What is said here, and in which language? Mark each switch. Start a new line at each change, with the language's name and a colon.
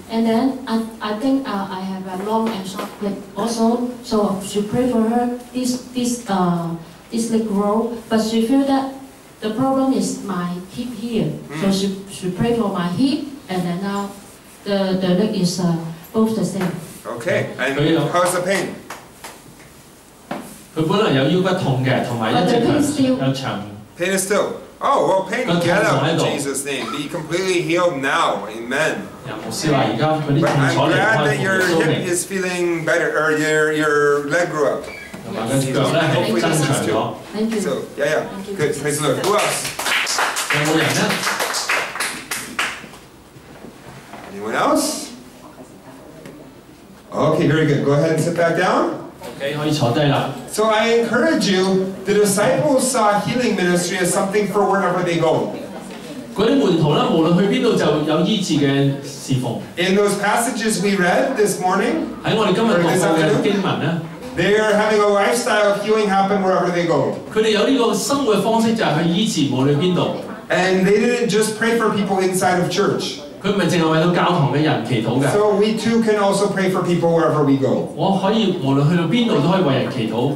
English: And then I think I have a long and short leg also. So she prayed for her this leg grow. But she feel that the problem is my hip here. Mm. So she prayed for my hip and then now the leg is both the same. Okay, and how's the pain?
Cantonese: 佢本來有腰骨痛嘅，同埋一隻腳有長。
English: Pain is still. Oh, well, pain, get up in Jesus' name. Be completely healed now. Amen. But I'm glad that your hip is feeling better, or your leg grew up. Hopefully this is still. So, yeah. Good. Praise the Lord. Who else? Anyone else? Okay, very good. Go ahead and sit back down. So I encourage you, the disciples saw healing ministry as something for wherever they go. In those passages we read this morning, they are having a lifestyle of healing happen wherever they go. And they didn't just pray for people inside of church.
Cantonese: 佢唔係淨係為到教堂嘅人祈禱嘅。
English: So we too can also pray for people wherever we go.
Cantonese: 我可以無論去到邊度都可以為人祈禱。